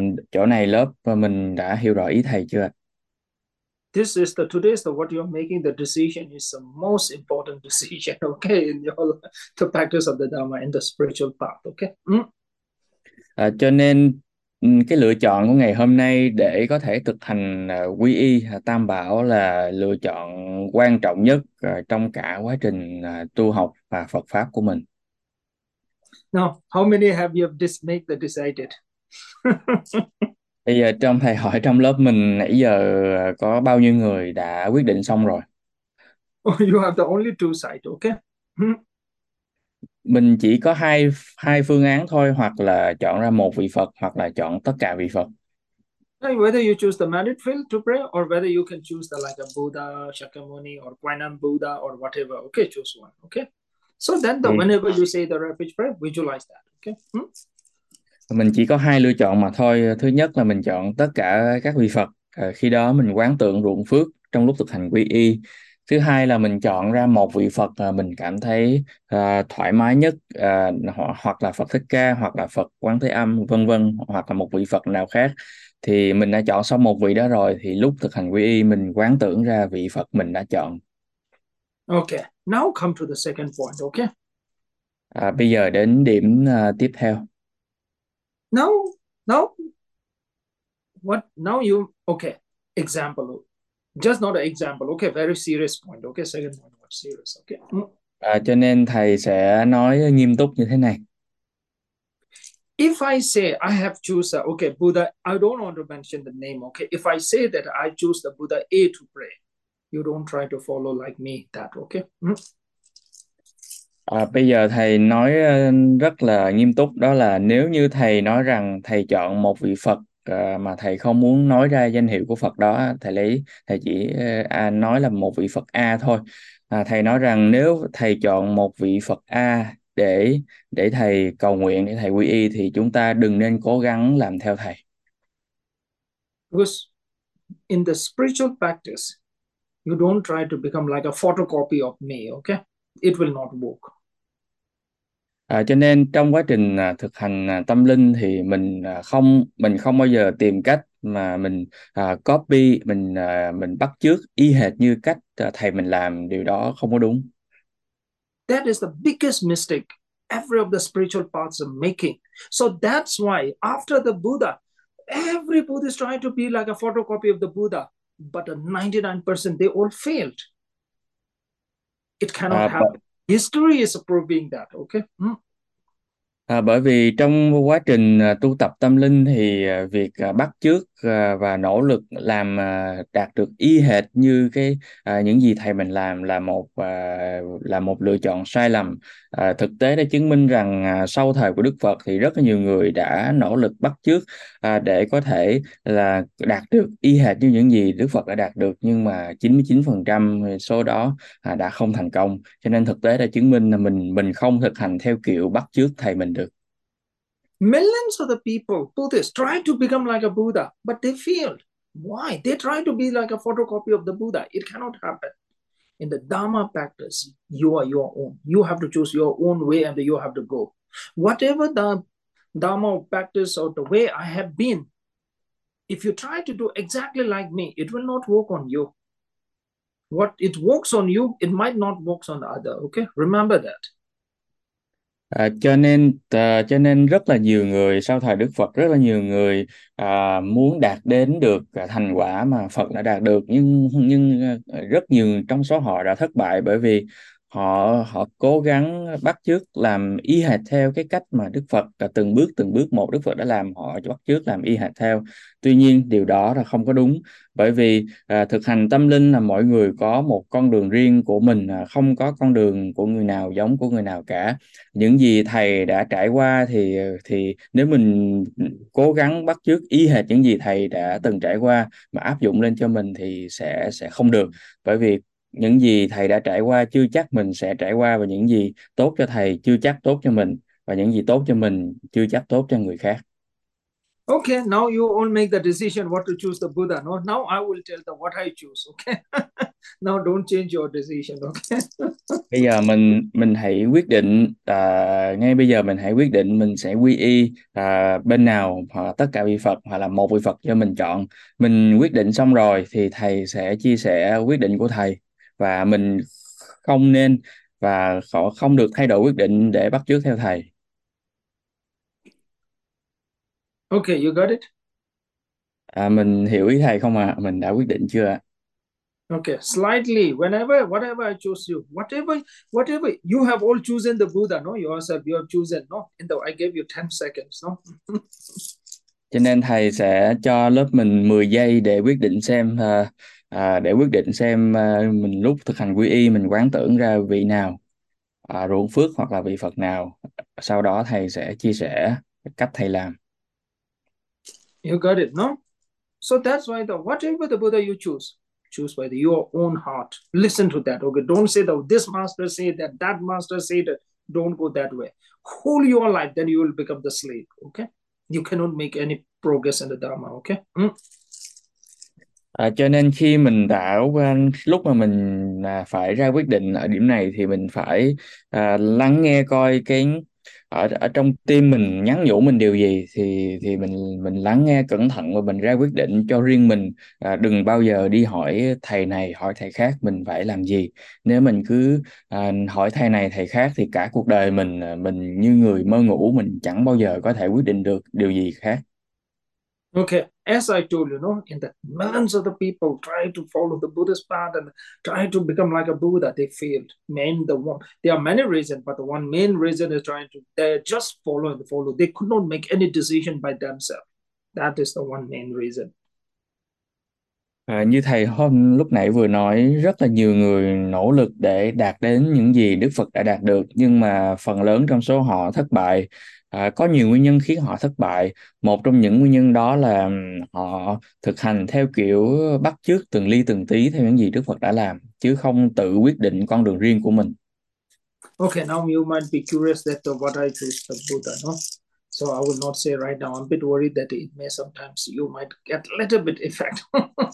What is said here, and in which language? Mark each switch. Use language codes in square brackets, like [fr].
[vi] Chỗ này lớp và mình đã hiểu rõ ý thầy chưa? [en] This is the today is the what you're making the decision is the most important decision, okay, in your the practice of the Dharma and the spiritual path, okay? [vi] Cho nên cái lựa chọn của ngày hôm nay để có thể thực hành quy y Tam Bảo là lựa chọn quan trọng nhất trong cả quá trình tu học và Phật pháp của mình. [en] Now, how many have you just make the decided? [vi] Bây giờ trong thầy hỏi trong lớp mình nãy giờ có bao nhiêu người đã quyết định xong rồi? [en] Oh, you have the only two sides, [vi] Mình chỉ có hai phương án thôi, hoặc là chọn ra một vị Phật hoặc là chọn tất cả vị Phật. [en] Whether you choose the merit field to pray or whether you can choose the like a Buddha, Shakyamuni or Kuan Yin Buddha or whatever. Okay, choose one. Okay. So then the whenever you say the repeat prayer, visualize that. Okay. [vi] Mình chỉ có hai lựa chọn mà thôi. Thứ nhất là mình chọn tất cả các vị Phật, khi đó mình quán tưởng ruộng phước trong lúc thực hành quy y. Thứ hai là mình chọn ra một vị Phật mình cảm thấy thoải mái nhất, hoặc là Phật Thích Ca, hoặc là Phật Quán Thế Âm, vân vân, hoặc là một vị Phật nào khác. Thì mình đã chọn xong một vị đó rồi, thì lúc thực hành quy y mình quán tưởng ra vị Phật mình đã chọn. [en] Okay, now come to the second point, okay? [vi] Bây giờ đến điểm tiếp theo. [en] No. What now you okay, example. Just not an example, okay, very serious point, okay, second point, what serious, okay? [vi] Cho nên thầy sẽ nói nghiêm túc như thế này. [en] If I say I have choose okay, Buddha, I don't want to mention the name, okay? If I say that I choose the Buddha A to pray. You don't try to follow like me that, okay? [vi] Bây giờ thầy nói rất là nghiêm túc, đó là nếu như thầy nói rằng thầy chọn một vị Phật mà thầy không muốn nói ra danh hiệu của Phật đó, thầy chỉ nói là một vị Phật A thôi. Thầy nói rằng nếu thầy chọn một vị Phật A để thầy cầu nguyện, để thầy quy y, thì chúng ta đừng nên cố gắng làm theo thầy. [en] Because in the spiritual practice, you don't try to become like a photocopy of me, okay? It will not work. [vi] Cho nên trong quá trình thực hành tâm linh thì mình không bao giờ tìm cách mà mình copy, mình bắt chước y hệt như cách thầy mình làm. Điều đó không có đúng. [en] That is the biggest mistake every of the spiritual paths are making. So that's why after the Buddha, every Buddha is trying to be like a photocopy of the Buddha. But a 99% they all failed. It cannot happen. History is proving that, okay? [vi] Bởi vì trong quá trình tu tập tâm linh thì việc bắt chước và nỗ lực làm đạt được y hệt như cái những gì thầy mình làm là một lựa chọn sai lầm. Thực tế đã chứng minh rằng sau thời của Đức Phật thì rất nhiều người đã nỗ lực bắt chước để có thể là đạt được y hệt như những gì Đức Phật đã đạt được, nhưng mà 99% số đó đã không thành công. Cho nên thực tế đã chứng minh là mình không thực hành theo kiểu bắt chước thầy mình được. [en] Millions of the people, Buddhists, try to become like a Buddha, but they failed. Why? They try to be like a photocopy of the Buddha. It cannot happen. In the Dharma practice, you are your own. You have to choose your own way and you have to go. Whatever the Dharma practice or the way I have been, if you try to do exactly like me, it will not work on you. What it works on you, it might not work on the other. Okay? Remember that. [vi] Cho nên rất là nhiều người sau thời Đức Phật, rất là nhiều người muốn đạt đến được thành quả mà Phật đã đạt được, nhưng rất nhiều trong số họ đã thất bại, bởi vì họ họ cố gắng bắt chước làm y hệt theo cái cách mà Đức Phật từng bước một Đức Phật đã làm, họ bắt chước làm y hệt theo. Tuy nhiên điều đó là không có đúng, bởi vì thực hành tâm linh là mỗi người có một con đường riêng của mình, không có con đường của người nào giống của người nào cả. Những gì thầy đã trải qua thì nếu mình cố gắng bắt chước y hệt những gì thầy đã từng trải qua mà áp dụng lên cho mình thì sẽ không được, bởi vì những gì thầy đã trải qua chưa chắc mình sẽ trải qua, và những gì tốt cho thầy chưa chắc tốt cho mình, và những gì tốt cho mình chưa chắc tốt cho người khác. [en] Okay, now you all make the decision what to choose the Buddha. No, now I will tell them what I choose. Okay, Now don't change your decision, [vi] Bây giờ mình hãy quyết định, ngay bây giờ mình hãy quyết định mình sẽ quy y bên nào, hoặc tất cả vị Phật, hoặc là một vị Phật do mình chọn. Mình quyết định xong rồi thì thầy sẽ chia sẻ quyết định của thầy, và mình không nên và họ không được thay đổi quyết định để bắt chước theo thầy. [en] you got it? [vi] À, mình hiểu ý thầy không ạ? À? Mình đã quyết định chưa ạ? [en] Okay, slightly, whenever, whatever I choose you, whatever you have all chosen the Buddha, no? Yourself, you have chosen, no? And I gave you 10 seconds, no? [vi] Cho nên thầy sẽ cho lớp mình 10 giây để quyết định xem để quyết định xem mình lúc thực hành quy y mình quán tưởng ra vị nào, ruộng phước hoặc là vị Phật nào. Sau đó thầy sẽ chia sẻ cách thầy làm. [en] You got it, no? So that's why the whatever the Buddha you choose. Choose by your own heart. Listen to that. Okay. Don't say that this master said that, that master said that. Don't go that way. Hold your life, then you will become the slave. Okay. You cannot make any progress in the Dharma. Okay. [vi] Cho nên khi mình đã lúc mà mình phải ra quyết định ở điểm này thì mình phải lắng nghe coi cái ở trong tim mình nhắn nhủ mình điều gì, thì mình lắng nghe cẩn thận và mình ra quyết định cho riêng mình. Đừng bao giờ đi hỏi thầy này hỏi thầy khác mình phải làm gì. Nếu mình cứ hỏi thầy này thầy khác thì cả cuộc đời mình như người mơ ngủ, mình chẳng bao giờ có thể quyết định được điều gì khác. [en] Okay, as I told you, know, in the millions of the people try to follow the Buddhist path and try to become like a Buddha, they failed. Man, the one, there are many reasons, but the one main reason is trying to, they're just following the follow. They could not make any decision by themselves. That is the one main reason. [vi] Như thầy hôm lúc nãy vừa nói, rất là nhiều người nỗ lực để đạt đến những gì Đức Phật đã đạt được, nhưng mà phần lớn trong số họ thất bại. Có nhiều nguyên nhân khiến họ thất bại. Một trong những nguyên nhân đó là họ thực hành theo kiểu bắt chước từng ly từng tí theo những gì Đức Phật đã làm, chứ không tự quyết định con đường riêng của mình. [en] Okay, now you might be curious that what I choose the Buddha, no? So I will not say right now. I'm a bit worried that it may sometimes you might get a little bit effect.